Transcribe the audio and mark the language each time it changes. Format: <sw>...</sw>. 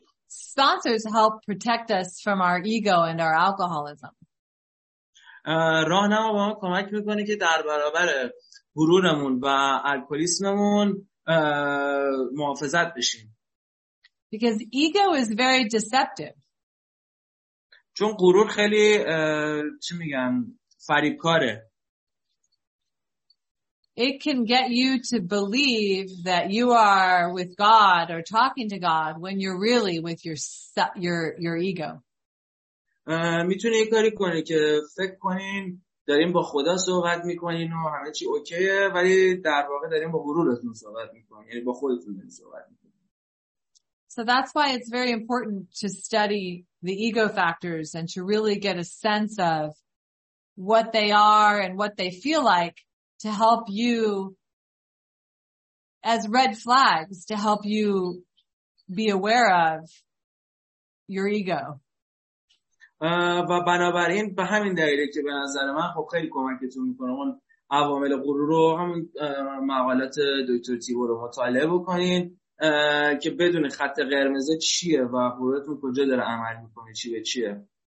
<en>Sponsors help protect us from our ego and our alcoholism.</en> <fa>راهنما به ما کمک میکنه که در برابر غرورمون و الکلیسممون محافظت بشیم.</fa> <en>Because ego is very deceptive.</en> <fa>چون غرور خیلی چی میگن فریبکاره.</fa> <en>It can get you to believe that you are with God or talking to God when you're really with your ego.</en> <fa>میتونه یه کاری کنه که فکر کنین داریم با خدا صحبت میکنین و همه چی اوکیه، ولی در واقع داریم با غرورتون صحبت میکنین، یعنی با خودتون داریم صحبت میکنین.</fa> <en>So that's why it's very important to study the ego factors and to really get a sense of what they are and what they feel like to help you as red flags to help you be aware of your ego.</en> <fa>و بنابراین به همین دلیله که به نظر من خب خیلی کمکتون میکنه اون عوامل غرور رو همون مقالات دکتر تیبور رو مطالعه بکنین که بدون خط قرمز چیه و غرورتون کجا داره عمل میکنه، چی به چیه.</fa>